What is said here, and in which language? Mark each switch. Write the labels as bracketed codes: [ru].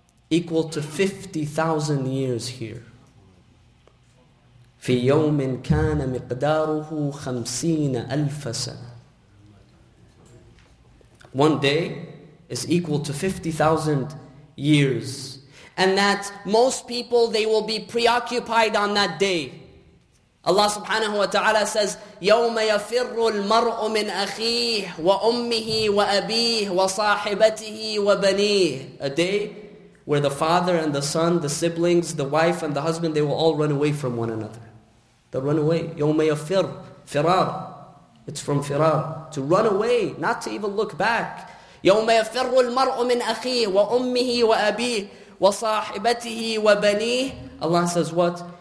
[en] Equal to 50,000 years here. [ar] فِي يَوْمٍ كَانَ مِقْدَارُهُ 50,000 سَنَةً. [en] One day is equal to 50,000 years. And that most people, they will be preoccupied on that day. Allah subhanahu wa ta'ala says, [ar] يَوْمَ يَفِرُّ الْمَرْءُ مِنْ أَخِيهِ وَأُمِّهِ وَأَبِيهِ وَصَاحِبَتِهِ وَبَنِيهِ. [en] A day where the father and the son, the siblings, the wife and the husband, they will all run away from one another. They'll run away. [ar] يَوْمَ يَفِرُّ. [en] Firar. It's from firar. To run away, not to even look back. [ar] يَوْمَ يَفِرُّ الْمَرْءُ مِنْ أَخِيهِ وَأُمِّهِ وَأَبِيهِ وَصَاحِبَتِهِ وَبَنِيهِ. [en] Allah says what?